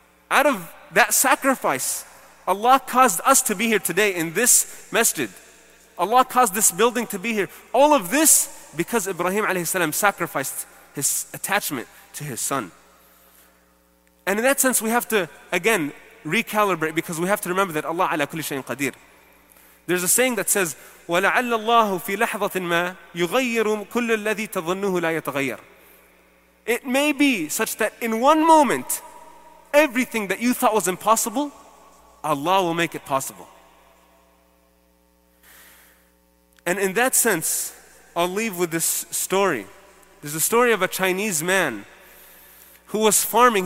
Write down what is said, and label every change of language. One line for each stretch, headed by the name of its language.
English: Out of that sacrifice, Allah caused us to be here today in this masjid. Allah caused this building to be here. All of this because Ibrahim alayhi salam sacrificed his attachment to his son. And in that sense, we have to, again, recalibrate, because we have to remember that
Arabic: Allah ala kulli shayin qadir.
English: There's a saying that says,
Arabic: وَلَعَلَّ اللَّهُ فِي لَحْظَةٍ مَا يُغَيِّرُ كُلَّ الَّذِي تَظُنُّهُ لَا يَتَغَيَّرُ.
English: It may be such that in one moment, everything that you thought was impossible, Allah will make it possible. And in that sense, I'll leave with this story. There's a story of a Chinese man who was farming.